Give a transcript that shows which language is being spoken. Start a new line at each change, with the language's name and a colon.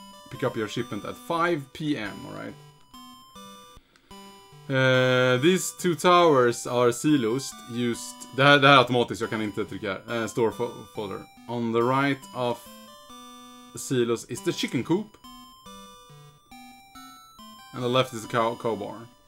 English: Pick up your shipment at 5 p.m. alright. These two towers are silos used...
Swedish: Det här är automatiskt, jag kan inte trycka här.
English: Store folder. On the right of silos is the chicken coop. And the left is the cow barn.